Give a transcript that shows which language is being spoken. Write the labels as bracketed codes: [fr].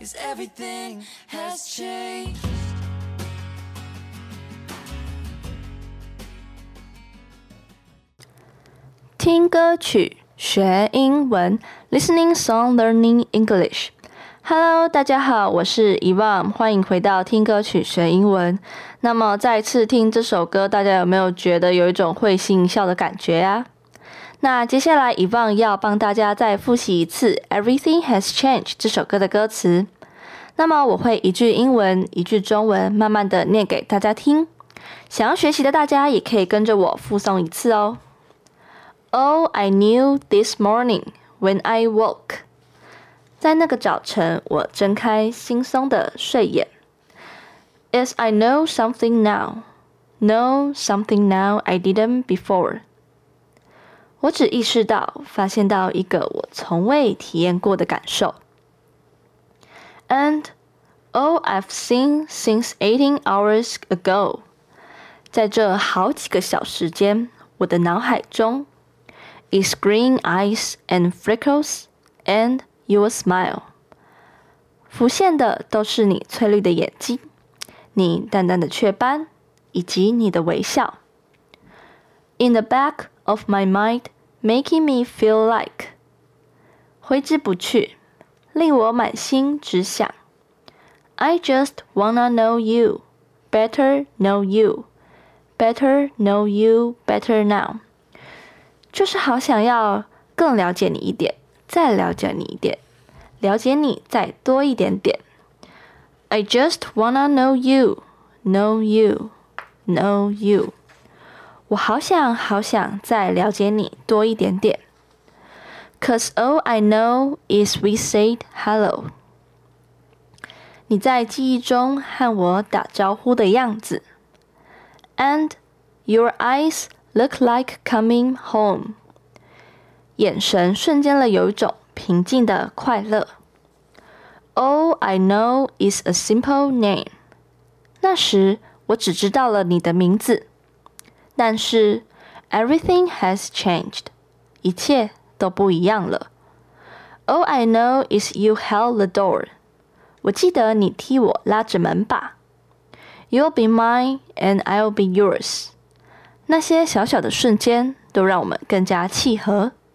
[en] Everything has changed. Ting [zh] 歌曲学英文 [en] Listening Song Learning English. [zh] Hello, 大家好，我是 Ivan， 欢迎回到听歌曲学英文。那么再次听这首歌，大家有没有觉得有一种会心一笑的感觉啊？那接下来 Ivan 要帮大家再复习一次 Everything has changed 这首歌的歌词。那么我会一句英文，一句中文，慢慢的念给大家听。想要学习的大家也可以跟着我复诵一次哦。 [en] All I knew this morning when I woke. [zh] 在那个早晨，我睁开惺忪的睡眼。 [en] Is I know something now. Know something now I didn't before. [zh] 我只意识到，发现到一个我从未体验过的感受。 [en] And all I've seen since 18 hours ago. [zh] 在这好几个小时间，我的脑海中 [en] is green eyes and freckles and your smile. [zh] 浮现的都是你翠绿的眼睛，你淡淡的雀斑，以及你的微笑。 [en] In the back of my mind, making me feel like. [zh] 挥之不去。令我满心只想 [en] I just wanna know you Better know you Better know you better now [zh] 就是好想要更了解你一点再了解你一点了解你再多一点点 [en] I just wanna know you Know you Know you [zh] 我好想好想再了解你多一点点。 [en] 'Cause all I know is we said hello. [zh] 你在记忆中和我打招呼的样子。 [en] And your eyes look like coming home. [zh] 眼神瞬间了有一种平静的快乐。 [en] All I know is a simple name. [zh] 那时我只知道了你的名字。 [en] 但是 everything has changed. [zh] 一切都不一样了。 [en] All I know is you held the door. [zh] 我记得你替我拉着门把。 [en] You'll be mine and I'll be yours. [zh] 那些小小的瞬间都让我们更加契合。